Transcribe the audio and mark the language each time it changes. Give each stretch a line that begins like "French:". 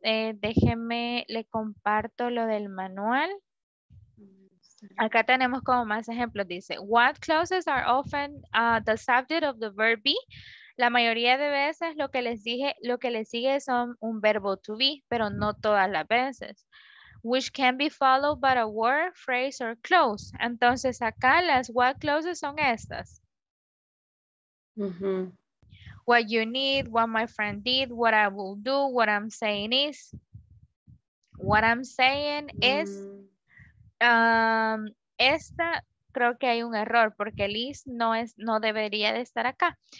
Spanish: Déjeme, le comparto lo del manual. Acá tenemos como más ejemplos, dice,
English: what clauses are often the subject of the verb be?
Spanish: La mayoría de veces lo que les sigue son un verbo to be, pero no todas las veces.
English: Which can be followed by a word, phrase, or clause.
Spanish: Entonces acá las what clauses son estas.
English: What you need, what my friend did, what I will do, what I'm saying is. What I'm saying is.
Spanish: Esta creo que hay un error porque Liz no debería de estar acá.